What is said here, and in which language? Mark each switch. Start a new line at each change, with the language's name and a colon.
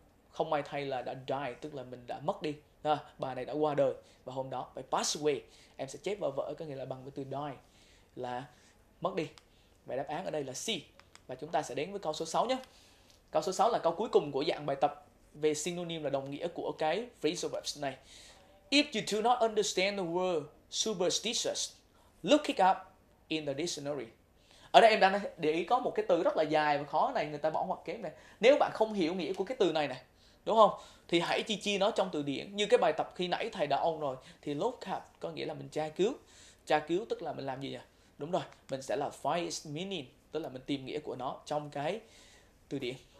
Vietnamese: không may thay là đã die, tức là mình đã mất đi. À, bà này đã qua đời và hôm đó phải pass away. Em sẽ chép vào vở, có nghĩa là bằng với từ die là mất đi. Vậy đáp án ở đây là C. Và chúng ta sẽ đến với câu số 6 nhé. Câu số 6 là câu cuối cùng của dạng bài tập về synonym, là đồng nghĩa của cái phrasal verbs này.
English: If you do not understand the word superstitious, look it up in the dictionary.
Vietnamese: Ở đây em đang để ý có một cái từ rất là dài và khó này, người ta bỏ ngoặc kép này. Nếu bạn không hiểu nghĩa của cái từ này này, đúng không? Thì hãy chi chi nó trong từ điển. Như cái bài tập khi nãy thầy đã ôn rồi, thì look up có nghĩa là mình tra cứu. Tra cứu tức là mình làm gì nhỉ? Đúng rồi, mình sẽ là
English: find its meaning,
Vietnamese: tức là mình tìm nghĩa của nó trong cái từ điển.